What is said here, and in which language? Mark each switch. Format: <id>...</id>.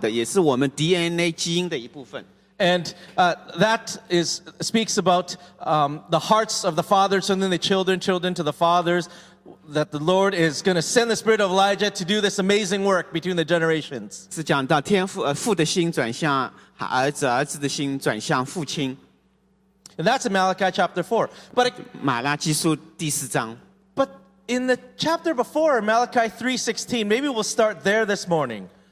<zh>是来自于一段经文是我们经常会看到的，也是我们DNA基因的一部分。</zh> <en>And that is speaks about the hearts of the fathers and then the children to the fathers, that the Lord is going to send the spirit of Elijah to do this amazing work between the generations.</en> <zh>是讲到天父的心转向儿子，儿子的心转向父亲。</zh> <en>And that's in Malachi chapter 4.</en> <zh>But 马拉基书第四章。</zh> <en>But in the chapter before, Malachi 3:16, maybe we'll start there this morning.</en>